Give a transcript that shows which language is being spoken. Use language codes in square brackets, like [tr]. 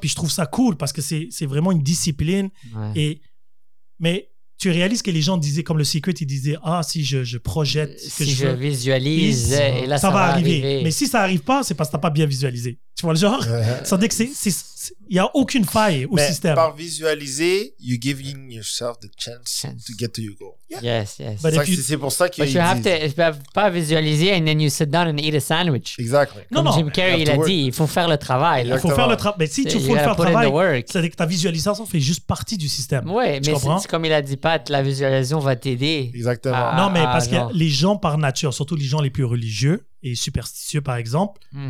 [fr] Puis je trouve ça cool parce que c'est vraiment une discipline. Ouais. Et... Mais tu réalises que les gens disaient, comme le secret, ils disaient, ah, si je projette, si je visualise, et là, ça va arriver. Mais si ça n'arrive pas, c'est parce que tu n'as pas bien visualisé. Tu vois le genre? Ça veut dire qu'il n'y a aucune faille au système. Par visualiser, [en] you're giving yourself the chance to get to your goal. Yeah. Yes, yes. But if you, [fr] c'est pour ça qu'il y a... Pas visualiser [en] and then you sit down and eat a sandwich. Exactly. [fr] Comme non. Jim Carrey, il a dit, il faut faire le travail. Il faut faire le travail. Mais si tu veux faire le travail, ça veut dire que ta visualisation fait juste partie du système. Oui, mais c'est comme il a dit, Pat, la visualisation va t'aider. Exactement. Non, mais parce que les gens par nature, surtout les gens les plus religieux et superstitieux, par exemple...